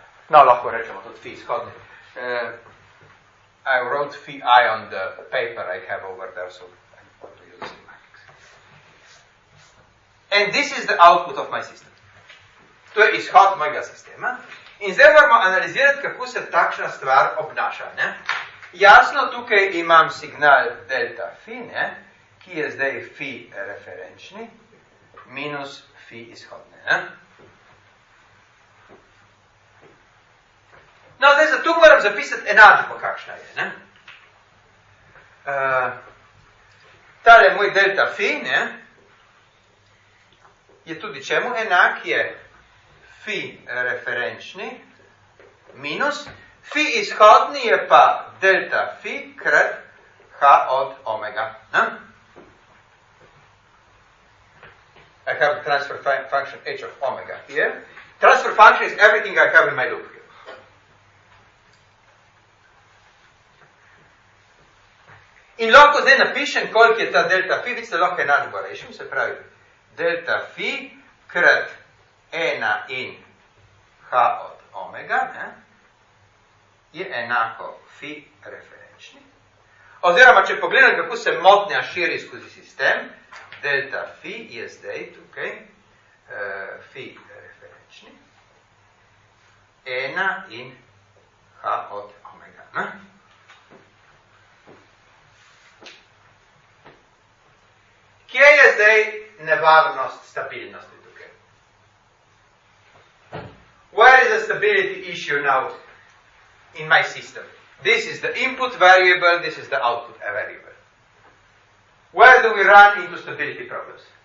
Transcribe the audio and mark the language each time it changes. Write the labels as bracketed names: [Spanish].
[Slovenian] No, lahko rečemo tudi phi izhodni. [English] I wrote phi I on the paper I have over there, so I want to use the matrix. And this is the output of my system. [Slovenian] To je izhod mojega sistema. In zdaj moramo analizirati, kako se takšna stvar obnaša, ne? Jasno, tukaj imam signal delta phi, ne? Ki je zdaj fi referenčni, minus fi izhodne. Ne? No, zdaj za tu moram zapisati enačbo, kakšna je. Ne? Tale moj delta fi, ne? Je tudi čemu enak, je fi referenčni, minus, fi izhodni je pa delta fi krat h od omega. Ne? [English] I have a transfer function h of omega here. Transfer function is everything I have in my loop here. [Slovenian] In lahko zdaj napišem, koliko je ta delta phi, vidite, lahko je enačbo rešim, se pravi, delta phi krat ena in h od omega, ne, je enako phi referenčni. Oziroma, če pogledam, kako se motnja širi skozi sistem, delta fi je zdaj tukaj, fi referenčni, ena in h od omega. Ne? zdaj nevarnost stabilnosti tukaj? [English] Where is the stability issue now in my system? This is the input variable, this is the output variable. Where do we run into stability problems?